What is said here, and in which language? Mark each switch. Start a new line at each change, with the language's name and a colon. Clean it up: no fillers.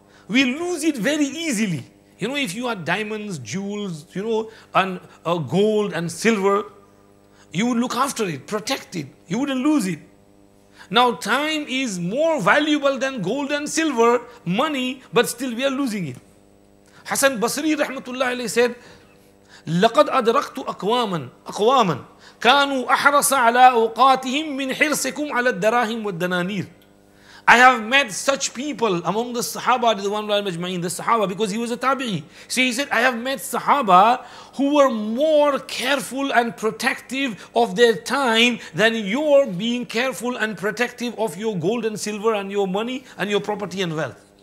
English: We lose it very easily. You know, if you had diamonds, jewels, you know, and gold and silver, you would look after it, protect it. You wouldn't lose it. Now, time is more valuable than gold and silver, money, but still we are losing it.
Arabic: Hasan Basri rahmatullah alayhi said, لَقَدْ أَدْرَكْتُ أَقْوَامًا كَانُوا أَحْرَصَ عَلَىٰ أَوْقَاتِهِمْ مِنْ حِرْسِكُمْ عَلَىٰ الدَّرَاهِمْ وَالدَّنَانِيرِ.
English: I have met such people among the Sahaba, the one who majma'in, the Sahaba, because he was a Tabi'i. So he said, I have met Sahaba who were more careful and protective of their time than your being careful and protective of your gold and silver and your money and your property and wealth.